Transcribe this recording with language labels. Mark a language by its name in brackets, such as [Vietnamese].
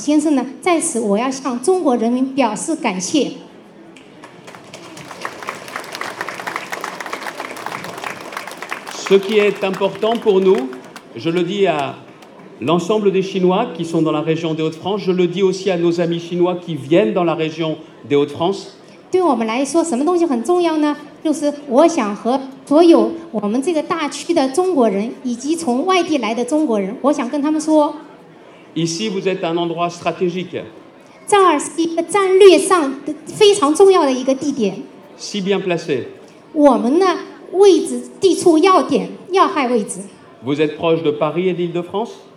[Chinese] 一个世纪以前，就是1918年呢，有中国人民到我们法国来和我们一起来作战，而且让我们呢获得了第一次世界的大战的胜利。所以说呢，大子先生呢，在此我要向中国人民表示感谢。 [French] Ce qui est important pour nous, je le dis à l'ensemble des Chinois qui sont dans la région des Hauts-de-France, je le dis aussi à nos amis chinois qui viennent dans la région des Hauts-de-France. [Chinese] 对我们来说，什么东西很重要呢？就是我想和所有我们这个大区的中国人，以及从外地来的中国人，我想跟他们说。 [French] Ici, vous êtes un endroit stratégique. [Chinese] 这儿是一个战略上非常重要的一个地点。 [French] Si bien placé. [Chinese] 我们呢？位置地处要点要害位置。 [French] Vous êtes proche de Paris et d'Île-de-France?